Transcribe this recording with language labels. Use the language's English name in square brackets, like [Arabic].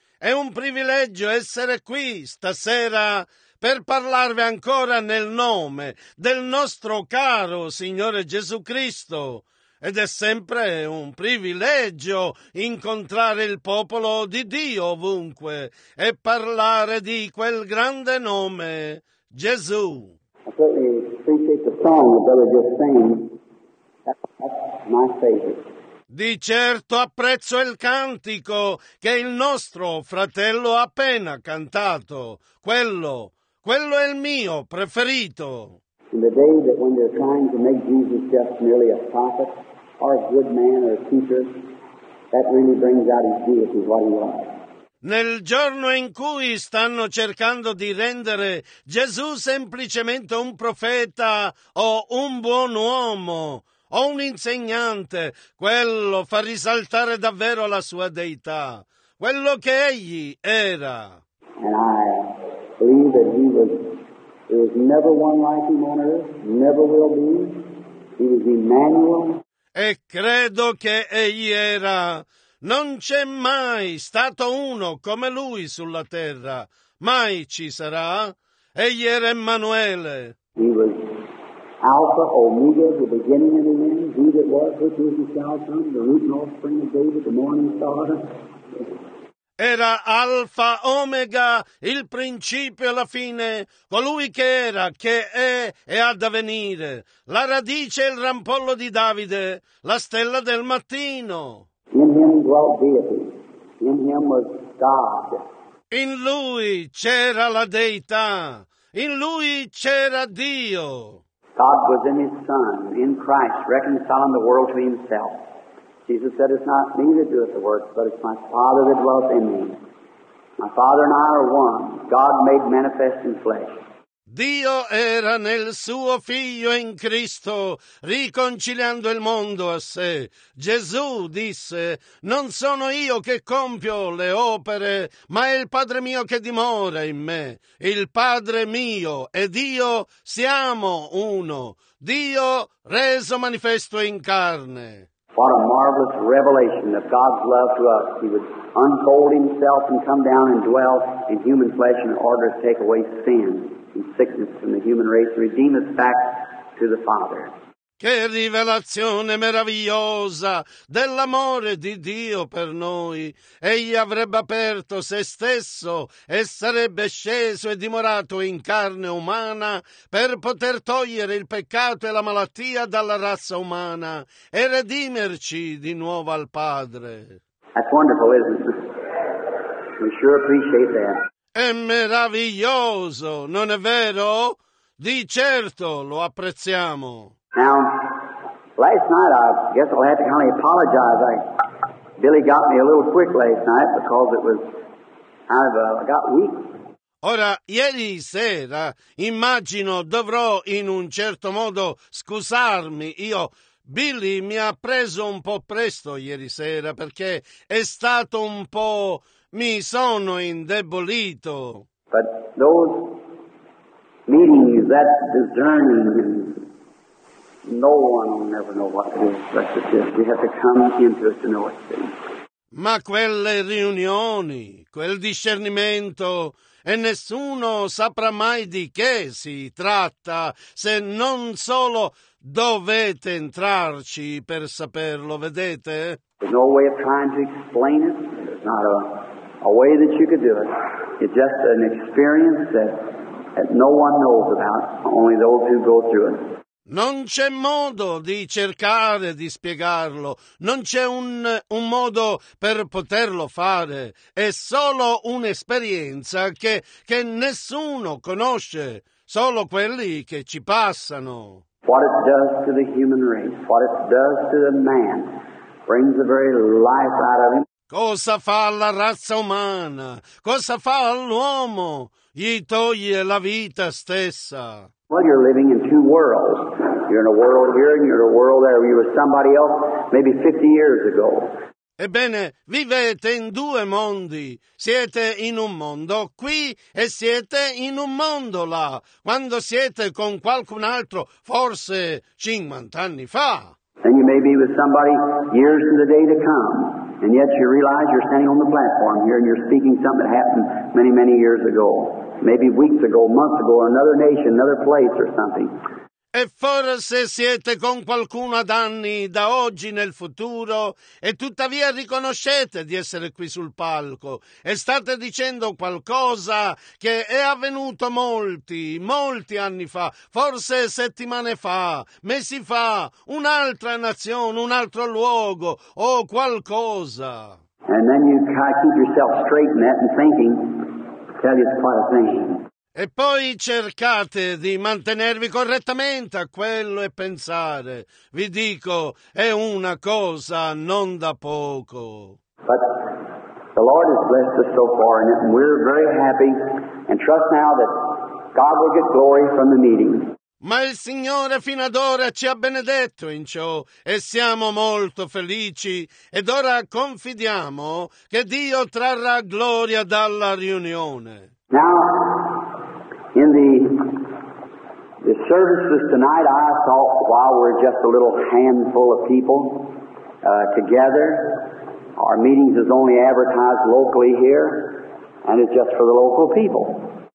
[Italian] È un privilegio essere qui stasera per parlarvi ancora nel nome del nostro caro Signore Gesù Cristo. Ed è sempre un privilegio incontrare il popolo di Dio ovunque e parlare di quel grande nome, Gesù. [English] I certainly appreciate the song the brother just sang. That's my favorite. [Italian] Di certo apprezzo il cantico che il nostro fratello ha appena cantato. Quello è il mio preferito. [English] In the day that when they're trying to make Jesus just merely a prophet, or a good man or a teacher, that really brings out his deity, what he was. [Italian] Nel giorno in cui stanno cercando di rendere Gesù semplicemente un profeta o un buon uomo o un insegnante, quello fa risaltare davvero la sua deità, quello che egli era. [English] And I believe that he was, there was never one like him on earth, never will be. He was Emmanuel. [Italian] E credo che egli era. Non c'è mai stato uno come lui sulla terra. Mai ci sarà. Egli era Emanuele. [English] He was Alpha, Omega, the beginning and the end. He that was, which is, which shall come, the root and offspring of David, the morning star. [Italian] Era Alfa, Omega, il principio e la fine, colui che era, che è e ha da venire, la radice e il rampollo di Davide, la stella del mattino. [English] In him dwelt deity. In him was God. [Italian] In lui c'era la deità, in lui c'era Dio. [English] God was in his Son, in Christ, reconciling the world to himself. Jesus said, it's not me that doeth the works, but it's my Father that dwells in me. My Father and I are one, God made manifest in flesh. [Italian] Dio era nel suo Figlio in Cristo, riconciliando il mondo a sé. Gesù disse, non sono io che compio le opere, ma è il Padre mio che dimora in me. Il Padre mio ed io siamo uno. Dio reso manifesto in carne. [English] What a marvelous revelation of God's love to us. He would unfold himself and come down and dwell in human flesh in order to take away sin and sickness from the human race, redeem us back to the Father. [Italian] Che rivelazione meravigliosa dell'amore di Dio per noi. Egli avrebbe aperto se stesso e sarebbe sceso e dimorato in carne umana per poter togliere il peccato e la malattia dalla razza umana e redimerci di nuovo al Padre. [English] That's wonderful, isn't it? We sure appreciate that. [Italian] È meraviglioso, non è vero? Di certo lo apprezziamo. [English] Now, last night, I guess I'll have to kind of apologize. Billy got me a little quick last night because it was kind of, I got weak. [Italian] Ora, ieri sera, immagino dovrò in un certo modo scusarmi. Io, Billy mi ha preso un po' presto ieri sera perché è stato un po', mi sono indebolito. [English] But those meetings, that discerning, no one will never know what it is, but it is. We have to come into it to know it. [Italian] Ma quelle riunioni, quel discernimento, e nessuno saprà mai di che si tratta, se non solo dovete entrarci per saperlo, vedete? [English] There's no way of trying to explain it. There's not a way that you could do it. It's just an experience that no one knows about, only those who go through it. [Italian] Non c'è modo di cercare di spiegarlo, non c'è un modo per poterlo fare, è solo un'esperienza che nessuno conosce, solo quelli che ci passano. [English] What it does to the human race, what it does to the man, brings the very life out of him. [Italian] Cosa fa la razza umana? Cosa fa l'uomo? Gli toglie la vita stessa. [English] Well, you're living in two worlds. You're in a world here and you're in a world there. You were somebody else maybe 50 years ago. [Italian] Ebbene, vivete in due mondi. Siete in un mondo qui e siete in un mondo là. Quando siete con qualcun altro, forse 50 anni fa. [English] And you may be with somebody years to the day to come. And yet you realize you're standing on the platform here and you're speaking something that happened many, many years ago. Maybe weeks ago, months ago, or another nation, another place or something. [Italian] E forse siete con qualcuno ad anni da oggi nel futuro e tuttavia riconoscete di essere qui sul palco e state dicendo qualcosa che è avvenuto molti, molti anni fa, forse settimane fa, mesi fa, un'altra nazione, un altro luogo o qualcosa. [English] And then you keep yourself straight in that and thinking, I tell you, it's quite a thing. [Italian] E poi cercate di mantenervi correttamente a quello e pensare. Vi dico, è una cosa non da poco. [English] But the Lord has blessed us so far and we're very happy and trust now that God will get glory from the meeting. [Italian] Ma il Signore fino ad ora ci ha benedetto in ciò e siamo molto felici ed ora confidiamo che Dio trarrà gloria dalla riunione. [English] Now, in the services tonight, I thought while we're just a little handful of people together, our meetings is only advertised locally here, and it's just for the local people.